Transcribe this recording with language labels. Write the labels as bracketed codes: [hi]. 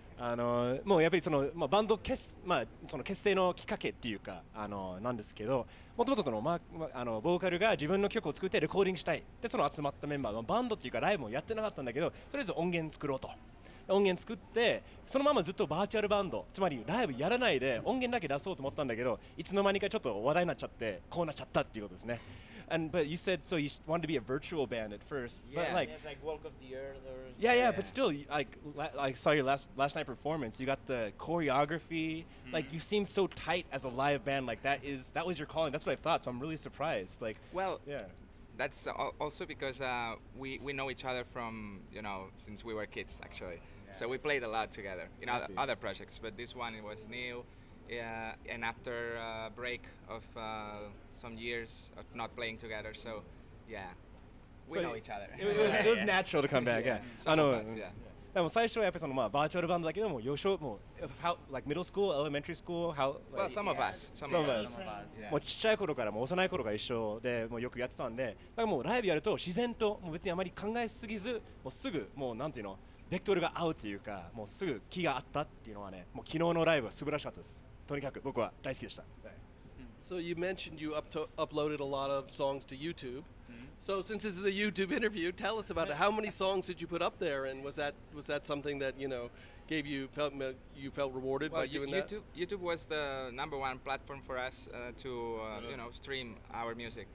[ja] あのもうやっぱりその、まあ、バンド 、まあ、その結成のきっかけっていうかあのなんですけど、もともとボーカルが自分の曲を作ってレコーディングしたい、でその集まったメンバー、まあ、バンドっていうかライブもやってなかったんだけど、とりあえず音源作ろうと、音源作ってそのままずっとバーチャルバンド、つまりライブやらないで音源だけ出そうと思ったんだけど、いつの間にかちょっと話題になっちゃってこうなっちゃったっていうことですね。 [en] And but you said so you wanted to be a virtual band at first, yeah, but like, yeah, like Walk of the Earth or yeah, yeah, yeah. But still, like I saw your last night performance. You got the choreography. Mm-hmm. Like you seem so tight as a live band. Like that was your calling. That's what I thought. So I'm really surprised. Like, well, yeah, that's also because we know each other from, you know, since we were kids actually. Yeah, so we played a lot together in other projects, but this one it was new. Yeah, and after a break of some years of not playing together, so yeah, we know each other. It was natural to come back, yeah. Yeah. Some of us, yeah. [ja] でも最初はやっぱりそのまあバーチャルバンドだけども、幼少もう [en] how like middle school, elementary school, how like well, some of us, some of us. [ja] もうちっちゃい頃からもう幼い頃から一緒でもうよくやってたんで、だからもうライブやると自然ともう別にあまり考えすぎず、もうすぐもうなんていうの、ベクトルが合うというか、もうすぐ気があったっていうのはね、もう昨日のライブは素晴らしかったです。とにかく僕は大好きでした。 [en] So you mentioned you uploaded a lot of songs to YouTube. So since this is a YouTube interview, tell us about it. How many songs did you put up there, and was that something that you know gave you felt rewarded well, by doing YouTube, that? YouTube was the number one platform for us you know stream our music.